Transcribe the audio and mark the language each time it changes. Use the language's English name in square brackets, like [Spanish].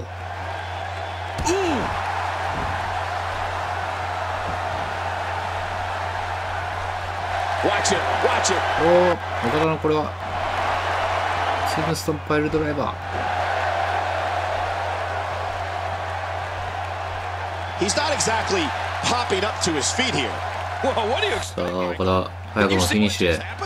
[Japanese] ー。いい。 [English] Watch it, watch it。 [Japanese] おお、中田のこれはセブンストンパイルドライバー。 [English] He's not exactly popping up to his feet here。 [Japanese] さあ、岡田、早くもフィニッシュへ。